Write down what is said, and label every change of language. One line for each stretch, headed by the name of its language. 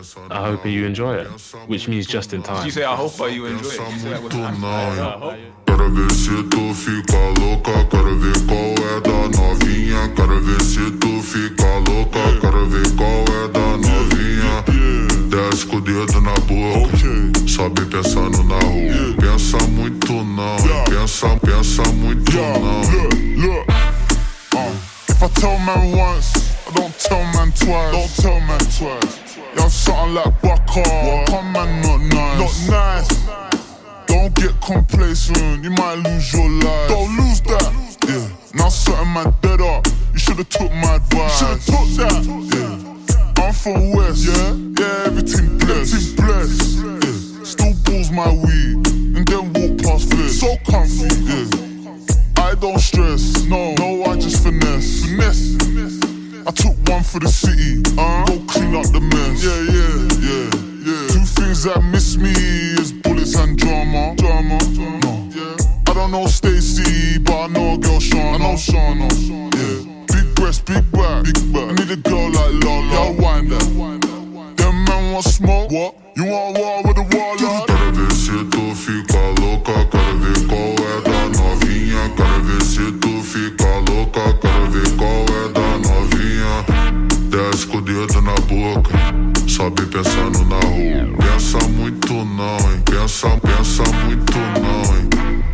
English: I hope you enjoy it, which means just in time. Did you say, I hope you enjoy it?
Portuguese: Quero ver se tu fica louca, quero ver qual é da novinha. Quero ver se tu fica louca, quero ver qual é da novinha. Desce com o dedo na boca, sobe pensando na rua. Pensa muito não, pensa muito não.
English: If I tell man once, I don't tell man twice. Don't tell man twice. Young something like Baka, come man not nice. Not nice. Don't get complacent, you might lose your life. Don't lose that. Yeah. Now certain man dead up. You should've took my advice. You should've took that. Yeah. I'm from West. Yeah. Yeah. Everything blessed. Everything blessed. Yeah. Still balls my weed and then walk past this. So comfy. Yeah. I don't stress. No. No. I just finesse. Finesse. I took one for the city. Go clean up the mess. Yeah. Yeah. Yeah. Yeah. Two things that miss me is bullets and drama. Drama. No. Yeah. I don't know Stacey, but I know a girl Shauna. I know Shauna. Yeah. Big breast, big back. Big back. I need a girl like Lola. Yeah, wind up. Them man want smoke. What? You want war with the wall?
Portuguese: Quero ver se tu fica louca. Quero ver qual é da novinha. Quero ver se tu fica louca. Quero ver qual é da novinha. Desce com o dedo na boca. Sobe pensando na rua. Pensa muito não, hein. Pensa muito não, hein.